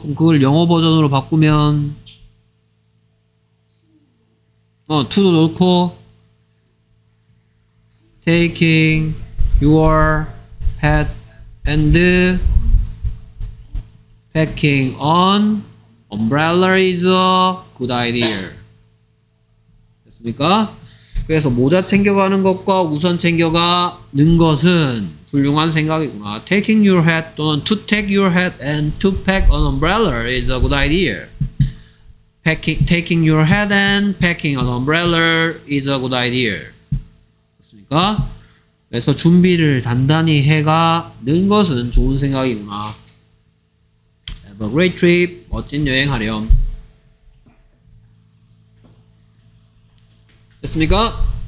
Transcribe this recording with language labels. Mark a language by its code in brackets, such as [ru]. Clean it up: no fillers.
[ko] 그럼 그걸 영어 버전으로 바꾸면 to도 좋고 [en] taking your hat and packing on umbrella is a good idea. [ko] 됐습니까? 그래서 모자 챙겨가는 것과 우선 챙겨가는 것은 훌륭한 생각이구나. [en] Taking your hat 또는 to take your hat and to pack an umbrella is a good idea. Taking your hat and packing an umbrella is a good idea. [ko] 됐습니까? 그래서 준비를 단단히 해가는 것은 좋은 생각이구나. [en] Have a great trip. [ko] 멋진 여행 하렴. 됐습니까?